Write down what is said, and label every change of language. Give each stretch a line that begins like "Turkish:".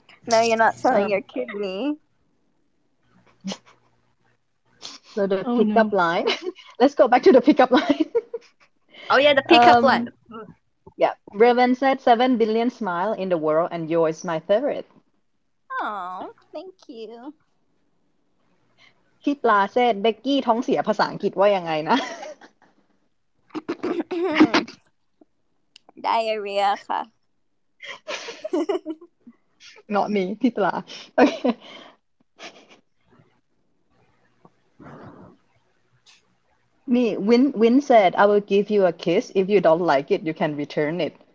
English: No, you're not selling your kidney. So the pickup line. Let's go back to the pickup line. Oh yeah, the pickup line. Yeah, Raven said 7 billion smile in the world, and yours is my favorite. Oh, thank you.
Thai: พี่ปลาเซดเบกกี้ท้องเสียภาษาอังกฤษว่ายังไงนะ
English: Diarrhea ค่ะ
Thai: เนาะมีพี่ปลานี่วิน
English: said I will give you a kiss if you don't like it you can return it